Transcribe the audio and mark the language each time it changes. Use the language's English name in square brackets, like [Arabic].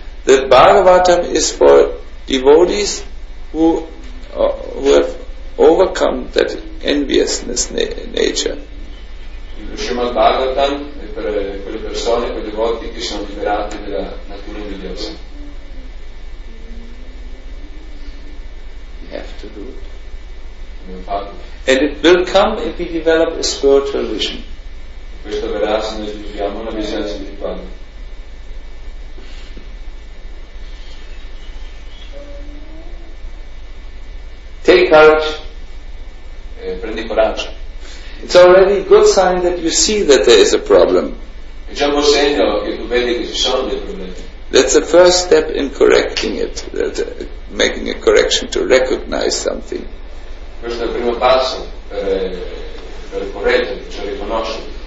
[English] The Bhagavatam is for devotees who have overcome that enviousness nature. [Italian] Il Srimad Bhagavatam è per quelle persone, quei devoti che sono liberati della natura invidiosa. [English] You have to do it. [Italian] Infatti. [English] And it will come if we develop a spiritual vision. [Italian] Questo verrà se noi sviluppiamo una visione spirituale. [English] Take courage. [Italian] Prendi coraggio. [English] It's already a good sign that you see that there is a problem. [Italian] È già un buon segno che tu vedi che ci sono dei problemi. [English] That's the first step in correcting it, that, making a correction to recognize something. [Italian] Questo è il primo passo per correggere, cioè riconoscere.